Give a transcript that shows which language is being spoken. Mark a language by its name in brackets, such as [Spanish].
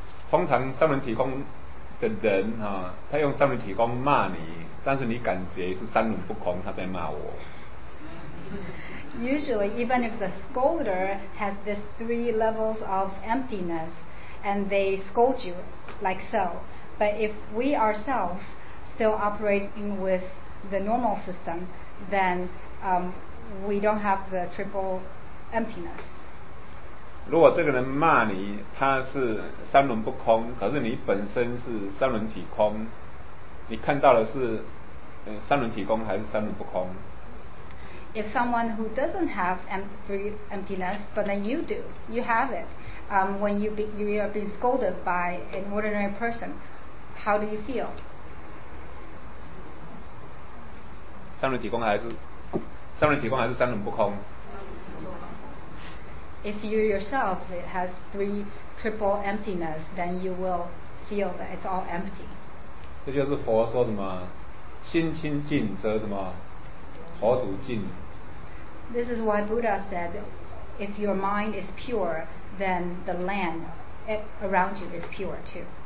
[Chinese] 通常三轮体空的人，他用三轮体空骂你，但是你感觉是三轮不空，他在骂我。 [English] Usually, even if the scolder has this three levels of emptiness and they scold you like so, but if we ourselves still operating with the normal system, then we don't have the triple emptiness. [Chinese] 如果这个人骂你，他是三轮不空，可是你本身是三轮体空，你看到的是三轮体空还是三轮不空？ [English] If someone who doesn't have emptiness, but then you do, you have it. When you are being scolded by an ordinary person, how do you feel? [Chinese] 三轮体空还是三轮体空还是三轮不空？ [English] If you yourself has three triple emptiness, then you will feel that it's all empty. [Chinese] 这就是佛说什么，心清净则什么，佛土净。 [English] This is why Buddha said, if your mind is pure, then the land around you is pure too.